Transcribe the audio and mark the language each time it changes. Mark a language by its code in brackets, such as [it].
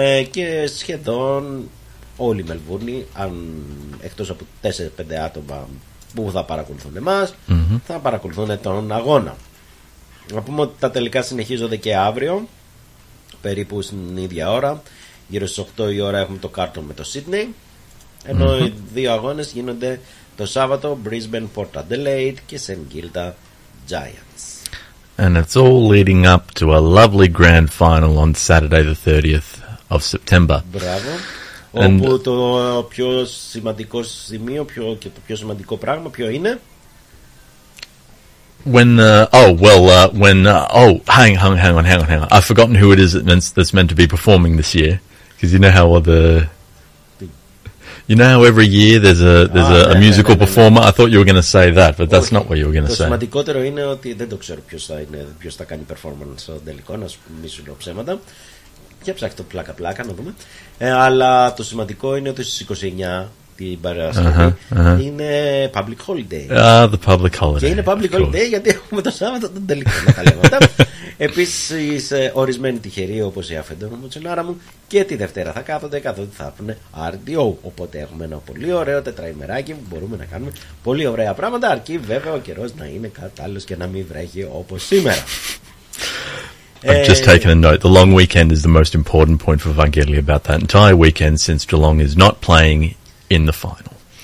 [el] Και σχεδόν όλοι οι Μελβούρνοι, εκτός από 4-5 άτομα που θα παρακολουθούν εμάς, θα παρακολουθούν τον αγώνα. Να πούμε ότι τα τελικά συνεχίζονται και αύριο, περίπου στην ίδια ώρα. Γύρω στις 8 η ώρα έχουμε το Κάρτον με το Σίδνεϊ. Ενώ οι δύο αγώνες γίνονται το Σάββατο, Brisbane, Port Adelaide και St. Kilda Giants. [en] And it's all leading up to a lovely grand final on Saturday the 30th of September. [el] Μπράβο. Όπου το πιο σημαντικό σημείο και το πιο σημαντικό πράγμα ποιο είναι? [en] Hang on. I've forgotten who it is that's meant to be performing this year. Because you know how all the... You know how every year there's a musical performer? I thought you were going to say that, but that's not what you were going to say. [el] Το σημαντικότερο είναι ότι δεν το ξέρω ποιος θα κάνει performance στο τελικό, να μη σου λέω ψέματα. Για ψάχνει το πλάκα-πλάκα να δούμε. Αλλά το σημαντικό είναι ότι στις 29 την Παρασκευή είναι public holiday. [en] The public holiday. [el] Και είναι public holiday γιατί έχουμε το Σάββατο τον τελικό να τα λέμε αυτά. Επίσης, ορισμένοι τυχεροί όπως η αφεντόρου μου Τσενάρα μου και τη Δευτέρα θα κάθονται καθότι θα έχουν RDO. Οπότε έχουμε ένα πολύ ωραίο τετραημεράκι που μπορούμε να κάνουμε πολύ ωραία πράγματα. Αρκεί βέβαια ο καιρός να είναι κατάλληλος και να μην βρέχει όπως σήμερα. [en] I've just taken a note. The long weekend is the most important point for Vangeli about that entire weekend since Geelong is not playing in the final.